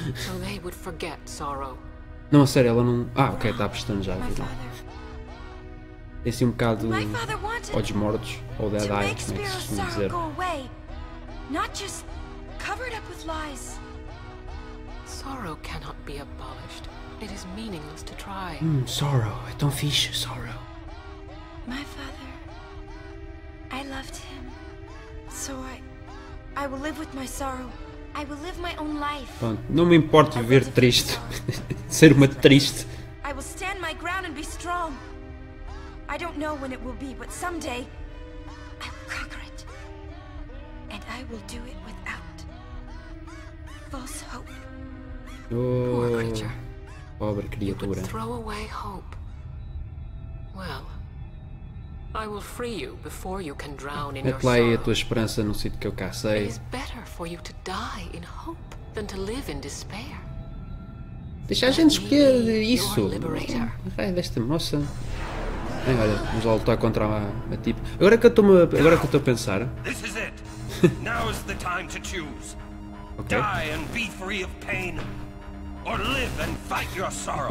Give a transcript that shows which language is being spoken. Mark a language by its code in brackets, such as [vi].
[en] So they would forget sorrow. [pt] Não, a sério, ela não. Ah, ok, está a pestanejar. Então. Esse é um bocado olhos mortos. Ou dead eye, como é que se costuma dizer. [en] Not just covered up with lies. Sorrow cannot be abolished. It is meaningless to try. [pt] Sorrow. É tão fixe, sorrow. [en] My father. I loved him. So I will live with my sorrow. I will live my own life. [pt] Pronto, não me importa viver triste. Ser uma triste. [en] I will stand my ground and be strong. I don't know when it will be, but someday I will conquer it. And I will do it without false hope. [pt] Oh, pobre criatura. [en] Throw away hope. Well, I will free you before you can drown in your sorrow. [pt] A tua esperança num sítio que eu cá sei. [en] It is better for you to die in hope than to live in despair. [pt] Deixa a gente escolher isso. Vai desta moça. Bem, olha, vamos lá lutar contra a tipo. Agora que eu estou a pensar. [en] This is it. Now is the time to choose. Okay. Die and be free of pain. Or live and fight your sorrow.